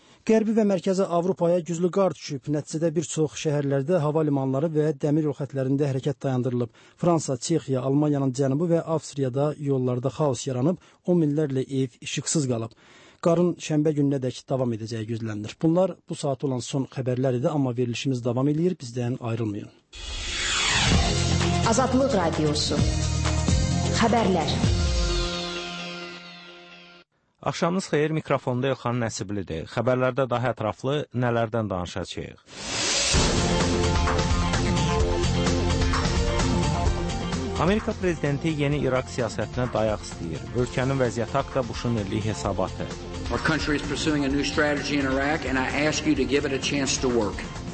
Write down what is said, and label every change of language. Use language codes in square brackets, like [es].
[az] Qərbi və Mərkəzi Avropaya güclü qar düşüb. Nəticədə bir çox şəhərlərdə hava limanları və dəmir yol xətlərində hərəkət dayandırılıb. Fransa, Çexiya, Almaniyanın cənubu və Avstriyada yollarda xaos yaranıb, on minlərlə ev işıqsız qalıb. Qarın şənbə gününə dək davam edəcəyi gözlənilir. Bunlar bu saat olan son xəbərlər idi, amma verilişimiz davam edir. Bizdən ayrılmayın. Azadlıq Radiosu. Xəbərlər. Axşamınız xeyir, mikrofonda Elxan Nəsiblidir. Xəbərlərdə daha ətraflı nələrdən danışacağıq? Amerika prezidenti yeni İraq siyasətinə dayaq istəyir. Ölkənin vəziyyəti haqqında Bush-un illik hesabatı. [en] Our country is pursuing a new strategy in Iraq and I ask you to give it a chance to work.